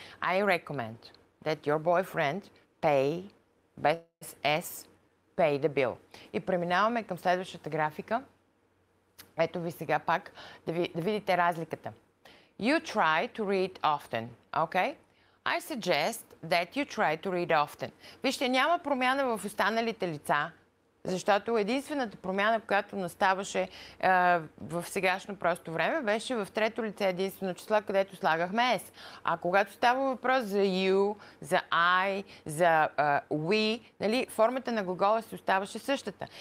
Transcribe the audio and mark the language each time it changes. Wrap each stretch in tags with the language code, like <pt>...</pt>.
<en>I recommend that your boyfriend pay</en> <bg>без</bg> <en>S pay the bill.</en> <bg>И преминаваме към следващата графика. Ето ви сега пак да видите разликата.</bg> <en>You try to read often. Okay? I suggest that you try to read often.</en> <bg>Вижте, няма промяна в останалите лица, защото единствената промяна, която наставаше в сегашно просто време, беше в трето лице единствено число, където слагахме S. А когато става въпрос за you, за I, за we, нали, формата на глагола се оставаше същата.</bg>